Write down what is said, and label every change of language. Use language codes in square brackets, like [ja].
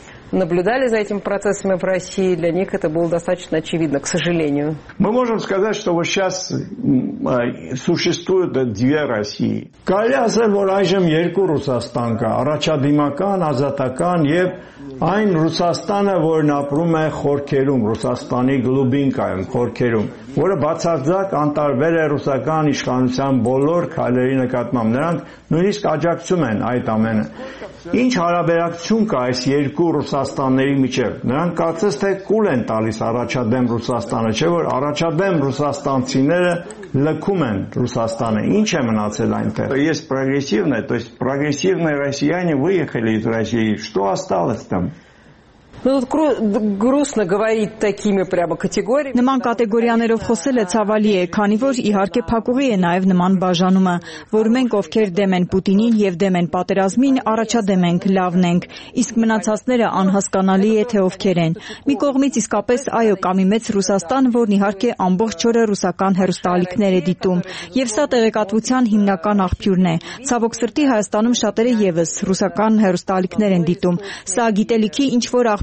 [ru] Наблюдали за этим процессами в России, для них это было достаточно очевидно, к сожалению. Мы можем сказать, что вот сейчас существуют две России. [hy] Կարիասը որ այժմ երկու Ռուսաստան կա, առաջադիմական, ազատական եւ այն Ռուսաստանը, որն ապրում է խորքերում, Ռուսաստանի գլուբինկայում, խորքերում, որը բացարձակ անտարբեր է ռուսական իշխանության բոլոր քայլերի նկատմամբ, նրանք նույնիսկ աջակցում են այդ ամենը։ Ինչ հարաբերակցություն կա այս երկու Ռուսաստանների միջև։ Նրանք կարծես թե կուլ են տալիս առաջադեմ Ռուսաստանը, չէ՞ որ առաջադեմ ռուսաստանցիները լքում են Ռուսաստանը։ Ինչ է մնացել այնտեղ։ Ես պրոգրեսիվն եմ, [ru] то есть прогрессивные россияне выехали из России. Что осталось там? Ну, тут грустно говорить такими прямо категориями. [hy] Նման կատեգորիաներով խոսելը ցավալի է, քանի որ իհարկե փակուղի է նաև նման բաժանումը, որ մենք ովքեր դեմ են Պուտինին եւ դեմ են պատերազմին, առաջադեմ ենք, լավն ենք, իսկ մնացածները անհասկանալի է, թե ովքեր են։ Մի կողմից իսկապես այո, կամ իմեծ Ռուսաստան, որն իհարկե ամբողջ օրը ռուսական հերոստալիքներ է դիտում, եւ սա տեղեկատվության հիմնական աղբյուրն է։ Ցավոք սրտի Հայաստանում շատերը եւս ռուսական հերոստալիքներ են դիտում։ Սա գիտելիքի ինչ-որ